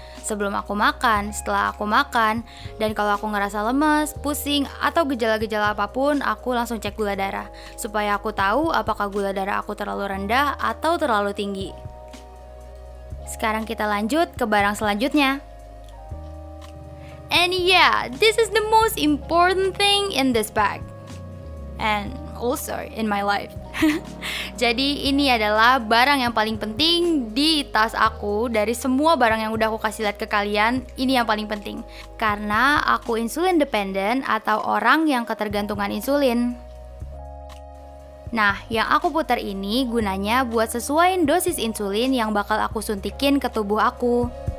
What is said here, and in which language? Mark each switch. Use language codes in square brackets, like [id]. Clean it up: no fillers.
[id] Sebelum aku makan, setelah aku makan, dan kalau aku ngerasa lemes, pusing, atau gejala-gejala apapun, aku langsung cek gula darah. Supaya aku tahu apakah gula darah aku terlalu rendah atau terlalu tinggi. Sekarang kita lanjut ke barang selanjutnya. [en] And yeah, this is the most important thing in this bag. And also in my life. [id] Jadi ini adalah barang yang paling penting di tas aku. Dari semua barang yang udah aku kasih lihat ke kalian, ini yang paling penting. Karena aku [en] insulin dependent [id] atau orang yang ketergantungan insulin. Nah, yang aku putar ini gunanya buat sesuaiin dosis insulin yang bakal aku suntikin ke tubuh aku.